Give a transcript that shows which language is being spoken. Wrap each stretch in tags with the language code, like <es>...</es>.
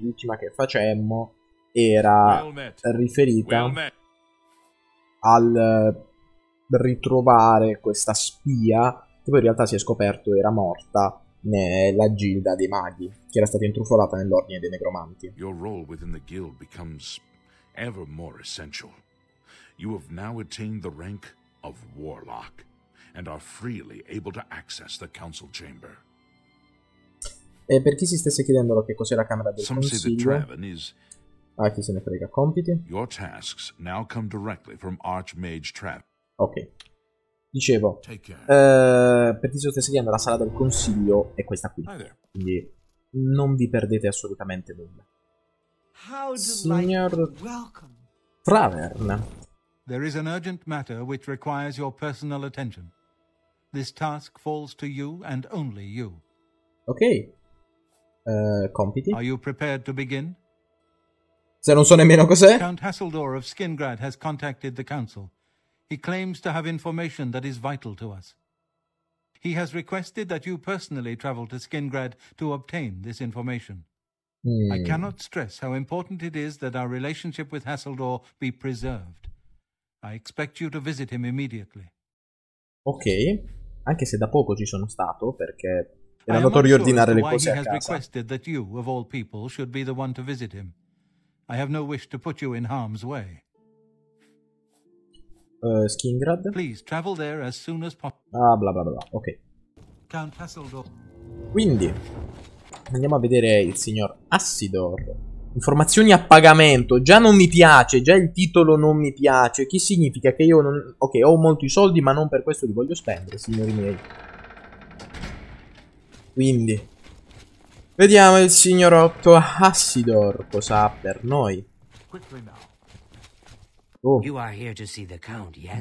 <it>L'ultima che facemmo era riferita al ritrovare questa spia che poi in realtà si è scoperto era morta nella Gilda dei Maghi, che era stata intrufolata nell'Ordine dei Negromanti.</it> <en>Your role within the guild becomes ever more essential. You have now attained the rank of warlock and are freely able to access the council chamber.</en> <it>E per chi si stesse chiedendo che cos'è la camera del consiglio, ah, chi se ne frega, compiti.</it> <en>Your tasks now come directly from Archmage Trav.</en> <it>Ok, dicevo, per chi si stesse chiedendo, la sala del consiglio è questa qui, quindi non vi perdete assolutamente nulla. Signor Travern.</it> <en>There is an urgent matter which requires your personal attention. This task falls to you and only you.</en> <it>Ok, compiti.</it> <en>Are you prepared to begin?</en> <it>Se non so nemmeno cos'è.</it> <en>Count Hasseldor of Skingrad has contacted the council. He claims to have information that is vital to us. He has requested that you personally travel to Skingrad to obtain this information. I cannot stress how important it is that our relationship with Hasseldor be preserved. I expect you to visit him immediately.</en> <it>Ok, anche se da poco ci sono stato, perché era notorio ordinare le cose a casa.</it> <en>He has requested that you, of all people, should be the one to visit him. I have no wish to put you in harm's way. Skingrad. Please travel there as soon as possible. Ah, bla bla bla. Ok. Count Hasseldor.</en> <it>Quindi andiamo a vedere il signor Hasseldor. Informazioni a pagamento. Già non mi piace, già il titolo non mi piace. Che significa che io non, ok, ho molti soldi, ma non per questo li voglio spendere, signori miei. Quindi vediamo il signor Otto Hasseldor cosa ha per noi.</it> <en>You are here to see the count, yes?</en>